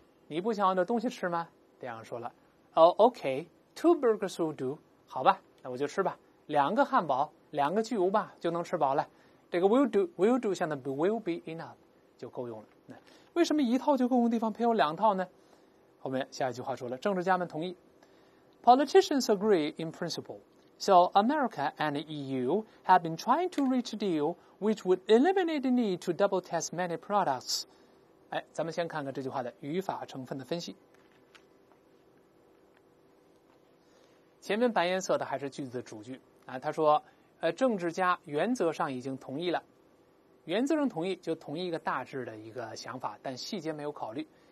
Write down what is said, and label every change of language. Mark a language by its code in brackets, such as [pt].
[zh] 你不想要点东西吃吗？第二人说了 [en] Oh OK，Two burgers will do， [zh] 好吧，那我就吃吧，两个汉堡，两个巨无霸就能吃饱了。这个 [en] will do [zh] 相当于 [en] will be enough， [zh] 就够用了。那为什么一套就够用的地方偏有两套呢？后面下一句话说了，政治家们同意， [en] Politicians agree in principle. So America and the EU have been trying to reach a deal which would eliminate the need to double test many products. [zh] 哎，咱们先看看这句话的语法成分的分析。前面白颜色的还是句子主句啊，他说，政治家原则上已经同意了，原则上同意就同意一个大致的一个想法，但细节没有考虑。